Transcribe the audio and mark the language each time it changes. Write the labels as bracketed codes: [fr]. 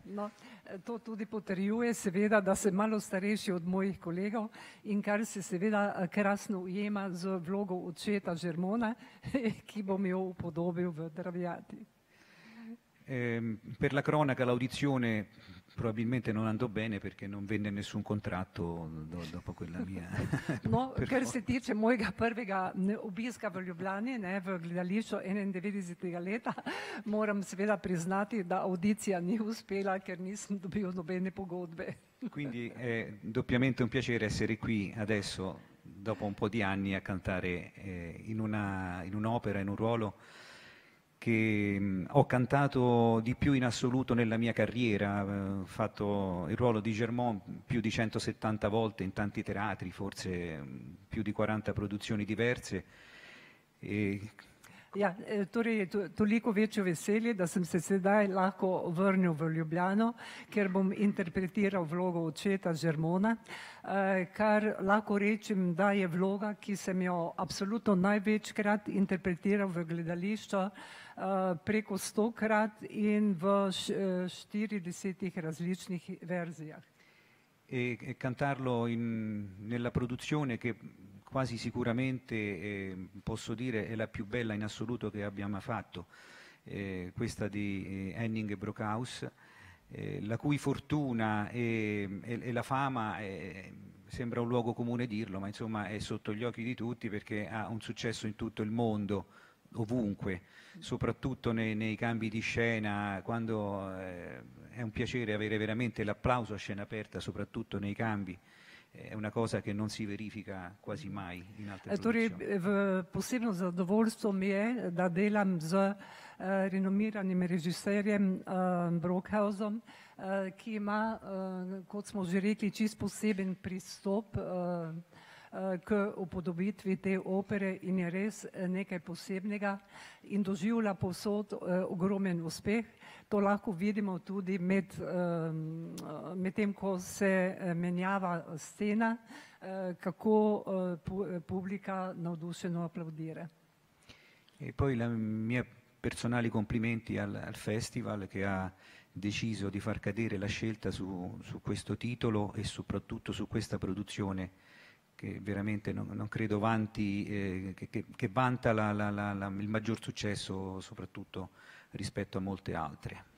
[sl] No, to tudi potrjuje, seveda, da sem malo starejši od mojih kolegov, in kar se seveda krasno ujema z vlogo očeta Germona, ki bom jo upodobil v Traviati. [it] Per la cronaca, l'audizione probabilmente non andò bene perché non venne nessun contratto dopo quella mia. [sl] No, ker se tiče mojega prvega obiska v Ljubljani, ne, v gledališču 91. leta, moram seveda priznati, da audicija ni uspela, ker nisem dobil nobene pogodbe. [it] Quindi è doppiamente un piacere essere qui adesso, dopo un po' di anni, a cantare in un'opera, in un ruolo che ho cantato di più in assoluto nella mia carriera. Ho fatto il ruolo di Germont più di 170 volte in tanti teatri, forse più di 40 produzioni diverse. E [sl] ja, torej je toliko večjo veselje, da sem se sedaj lahko vrnil v Ljubljano, ker bom interpretiral vlogo očeta Germona, kar lahko rečem, da je vloga, ki sem jo absolutno največkrat interpretiral v gledališču, preko 100-krat in v 40 različnih verzijah. [it] E cantarlo nella produzione che quasi sicuramente posso dire è la più bella in assoluto che abbiamo fatto, questa di Henning e Brockhaus, la cui fortuna e la fama, sembra un luogo comune dirlo, ma insomma è sotto gli occhi di tutti, perché ha un successo in tutto il mondo, ovunque, soprattutto nei cambi di scena, quando è un piacere avere veramente l'applauso a scena aperta, soprattutto nei cambi. È una cosa che non si verifica quasi mai in altre produzioni. [sl] Posebno zadovoljstvo mi je, da delam z renomiranim režiserjem Brockhausom, ki ima, kot smo že rekli, čist poseben pristop k upodobitvi te opere, in je res nekaj posebnega in doživlja povsod ogromen uspeh. To lahko vidimo tudi med tem, ko se menjava scena, kako publika navdušeno aplaudira. [it] E poi la mia personali complimenti al festival, che ha deciso di far cadere la scelta su questo titolo e soprattutto su questa produzione che veramente non credo vanti, che vanta il maggior successo soprattutto rispetto a molte altre.